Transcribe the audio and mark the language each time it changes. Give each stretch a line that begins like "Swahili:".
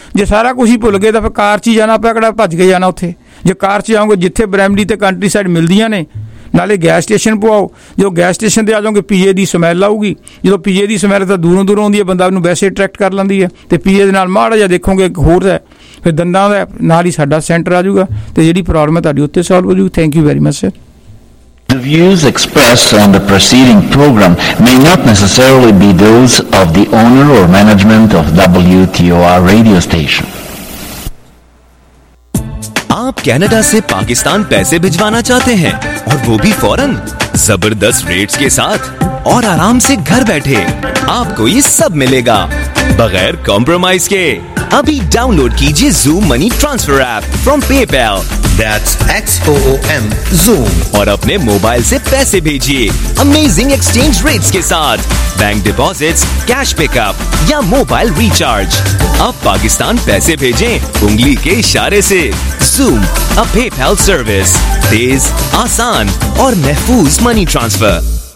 Punjabi: ਜੇ ਸਾਰਾ ਕੁਛ ਹੀ ਭੁੱਲ ਗਏ ਤਾਂ ਫਿਰ ਕਾਰ 'ਚ ਹੀ ਜਾਣਾ ਆਪਾਂ, ਕਿਹੜਾ ਭੱਜ ਕੇ ਜਾਣਾ ਉੱਥੇ। ਜੇ ਕਾਰ 'ਚ ਜਾਓਗੇ ਜਿੱਥੇ ਬ੍ਰੈਮਲੀ ਅਤੇ ਕੰਟਰੀ ਸਾਈਡ ਮਿਲਦੀਆਂ ਨੇ, ਨਾਲੇ ਗੈਸ ਸਟੇਸ਼ਨ ਪਵਾਓ, ਜੋ ਗੈਸ ਸਟੇਸ਼ਨ 'ਤੇ ਆ ਜਾਓਗੇ PA ਦੀ ਸਮੈਲ ਆਊਗੀ। ਜਦੋਂ PA ਦੀ ਸਮੈਲ ਤਾਂ ਦੂਰੋਂ ਦੂਰੋਂ ਆਉਂਦੀ ਹੈ, ਬੰਦਾ ਉਹਨੂੰ ਵੈਸੇ ਅਟਰੈਕਟ ਕਰ ਲੈਂਦੀ ਹੈ, ਅਤੇ PA ਦੇ ਨਾਲ ਮਾੜਾ ਜਿਹਾ ਦੇਖੋਗੇ ਇੱਕ ਹੋਰ ਹੈ, ਫਿਰ ਦੰਦਾਂ ਦਾ ਨਾਲ ਹੀ ਸਾਡਾ ਸੈਂਟਰ ਆ ਜੂਗਾ, ਅਤੇ ਜਿਹੜੀ ਪ੍ਰੋਬਲਮ ਹੈ ਤੁਹਾਡੀ ਉੱਥੇ ਸੋਲਵ ਹੋ ਜੂਗੀ।
English: Thank you very much sir. The views expressed on the preceding program may not necessarily be those of the owner or management of WTOR radio station.
Hindi: आप कनाडा से पाकिस्तान पैसे भिजवाना चाहते हैं और वो भी फौरन जबरदस्त रेट्स के साथ और आराम से घर बैठे, आपको ये सब मिलेगा बगैर कॉम्प्रोमाइज के। अभी डाउनलोड कीजिए Zoom Money Transfer App from PayPal.
English: That's XOOM Zoom.
Hindi: और अपने मोबाइल से पैसे भेजिए अमेजिंग एक्सचेंज रेट्स के साथ, बैंक डिपॉजिट्स, कैश पिकअप या मोबाइल रिचार्ज। अब पाकिस्तान पैसे भेजें उंगली के इशारे से।
English: Zoom, a PayPal service.
Hindi: तेज, आसान और महफूज मनी ट्रांसफर।